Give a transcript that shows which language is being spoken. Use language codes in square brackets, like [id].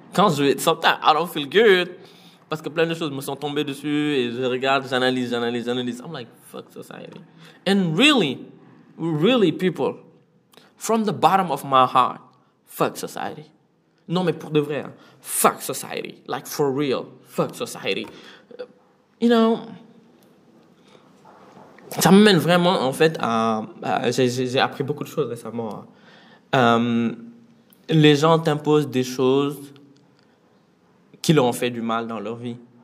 [fr] Quand je vais, [en] sometimes I don't feel good. [fr] Parce que plein de choses me sont tombées dessus et je regarde, j'analyse. [en] I'm like, fuck society. And really, really people, from the bottom of my heart, fuck society. [fr] Non, mais pour de vrai, hein, [en] fuck society. Like, for real, fuck society. You know, [fr] ça me mène vraiment, en fait, j'ai appris beaucoup de choses récemment. Hein. Les gens t'imposent des choses qui leur ont fait du mal dans leur vie.